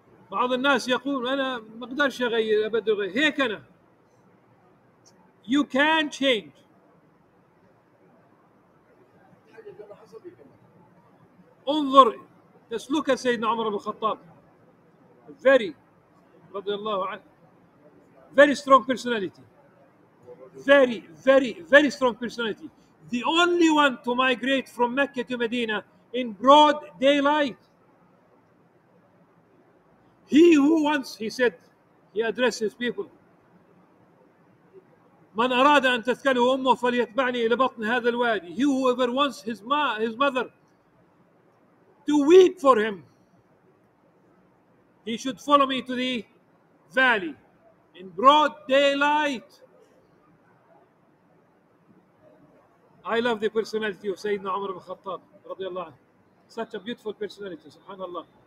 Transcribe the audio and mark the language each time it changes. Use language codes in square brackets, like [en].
[ar] بعض الناس يقول أنا ما أقدرش أغير أبدو غير. هيك أنا. [en] You can change. [ar] انظر. [en] Just look at سيدنا عمر بن الخطاب. [ar] Very. رضي الله عنه. [en] Very strong personality. Very, very, very strong personality. The only one to migrate from Mecca to Medina in broad daylight. He who once, he said, he addressed his people. [ar] من أراد أن تثكله أمه فليتبعني إلى بطن هذا الوادي. [en] He who ever wants his mother to weep for him. He should follow me to the valley in broad daylight. I love the personality of Sayyidina Umar ibn Khattab, radiallahu anhu. Such a beautiful personality, subhanallah.